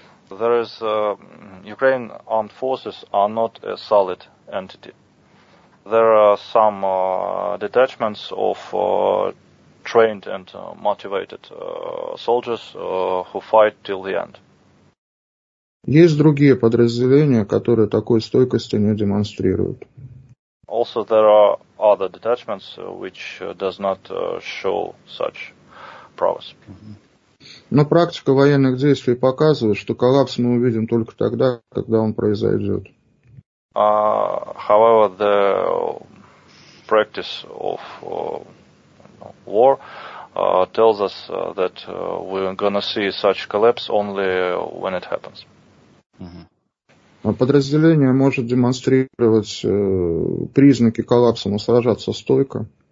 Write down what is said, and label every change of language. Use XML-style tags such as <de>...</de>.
<en>There is Ukraine armed forces are not a solid entity. There are some detachments of trained and motivated soldiers who fight till the end.</en> <ru>Есть другие подразделения, которые такой стойкости не демонстрируют.</ru> <en>Also, there are other detachments which does not show such prowess.</en> <ru>Но практика военных действий показывает, что коллапс мы увидим только тогда, когда он произойдет.</ru> <en>However, the practice of war tells us that we're going to see such collapse only when it happens.</en> <ru>Подразделение может демонстрировать признаки коллапса, но сражаться стойко.</ru>